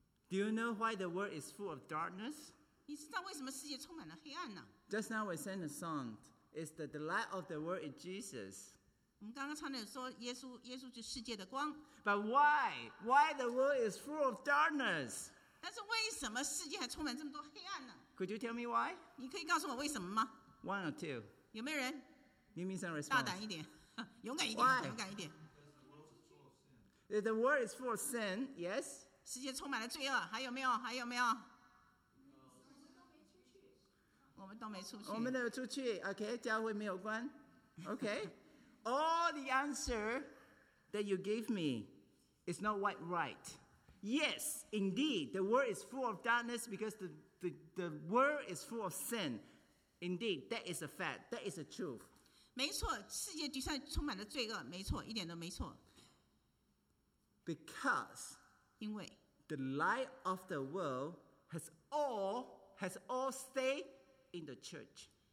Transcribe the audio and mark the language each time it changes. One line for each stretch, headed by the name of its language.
English: Do you know why the world is full of darkness?
Chinese: 你知道为什么世界充满了黑暗呢？
English: Just now we sang a song. It's that the light of the world is Jesus.
Chinese: 我们刚刚唱的说耶稣就是世界的光。
English: But why? Why the world is full of darkness?
Chinese: 但是为什么世界还充满这么多黑暗呢？
English: Could you tell me why?
Chinese: 你可以告诉我为什么吗？
English: One or two?
Chinese: 有没有人？
English: Give me some response.
Chinese: 大胆一点，勇敢一点。
English: Why? The world is full of sin, yes?
Chinese: 世界充满了罪恶，还有没有？我们都没出去。 Okay, 教会没有关。Okay.
English: All the answer that you gave me is not quite right. Yes, indeed, the world is full of darkness because the world is full of sin. Indeed, that is a fact. That is a truth.
Chinese: 没错，世界的确充满了罪恶。没错，一点都没错。
English: Because
Chinese: 因为
English: the light of the world has all stayed in the church.